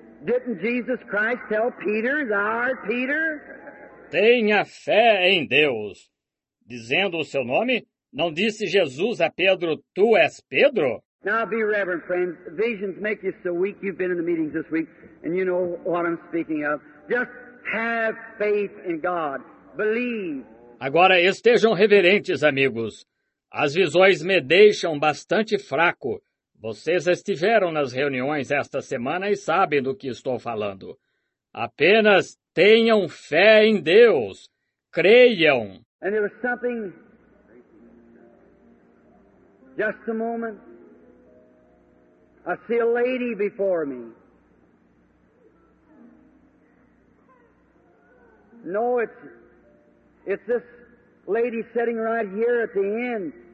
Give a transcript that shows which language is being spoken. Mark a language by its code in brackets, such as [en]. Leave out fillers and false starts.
[en] Didn't Jesus Christ tell Peter, our Peter? [pt] Tenha fé em Deus. Dizendo o seu nome, não disse Jesus a Pedro, tu és Pedro? [en] Now be reverent, friends. Visions make you so weak. You've been in the meetings this week, and you know what I'm speaking of. Just have faith in God. Believe. [pt] Agora estejam reverentes, amigos. As visões me deixam bastante fraco. Vocês estiveram nas reuniões esta semana e sabem do que estou falando. Apenas tenham fé em Deus. Creiam. [en] And there was something... Just a moment. I see a lady before me. No, it's this lady sitting right here at the end.